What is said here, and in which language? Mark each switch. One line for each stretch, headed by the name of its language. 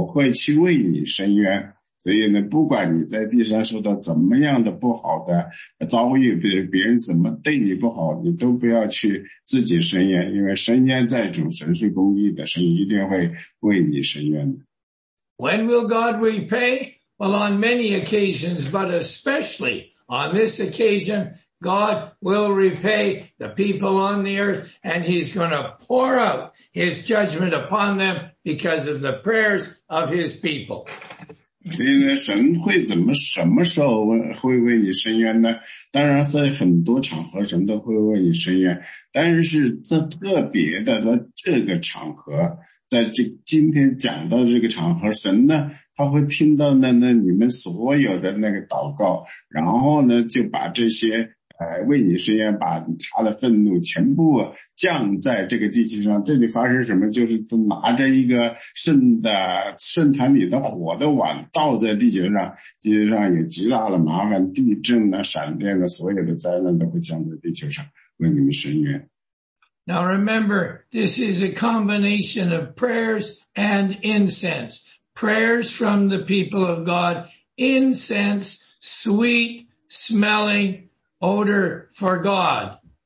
Chinese: 因为他不记得到底是雅各书还是彼得书第四讲的，他讲起的那里所讲的说，深渊在主，所以你自己不要去报复，不管别人对你怎么坏，就是别人对你怎么样，你都不要去报复，因为你知道深渊在主，神说呢，我是公义的神，我会行公义的审判，我会去为你伸冤。所以呢，不管你在地上受到怎么样的不好的遭遇，别人怎么对你不好，你都不要去自己伸冤，因为伸冤在主，神是公义的，神一定会为你伸冤的。
English: When will God repay? Well, on many occasions, but especially on this occasion, God will repay the people on the earth, and he's going to pour out his judgment upon them because of the prayers of his people.
Chinese: 所以呢，神会怎么什么时候会为你伸冤呢？当然在很多场合神都会为你伸冤， 但是在特别的在这个场合， 在今天讲到这个场合， 神呢，他会听到那你们所有的那个祷告， 然后呢就把这些为你伸冤， 把他的愤怒全部降在这个地球上。这里发生什么？就是拿着一个圣坛里的火的碗倒在地球上， 地球上有极大的麻烦， 地震啊， 闪电啊， 所有的灾难都会降在地球上， 为你们伸冤。
English: Now remember, this is a combination of prayers and incense. Prayers from the people of God, incense, sweet smelling odor for God.